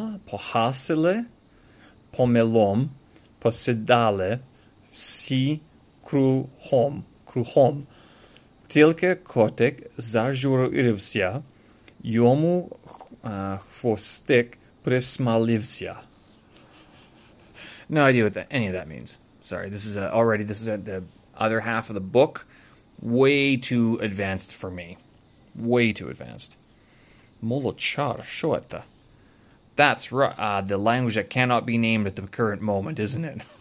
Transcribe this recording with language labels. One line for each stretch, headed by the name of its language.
Ukrainian: Похасили, помелом, посидали, всі кругом, кругом. Тільки котик зажурився, йому Хвостик присмалився.
English: No idea what any of that means. Sorry, this is the other half of the book. Way too advanced for me. Way too advanced.
Ukrainian: Молочар, що це?
English: That's right, the language that cannot be named at the current moment, isn't it?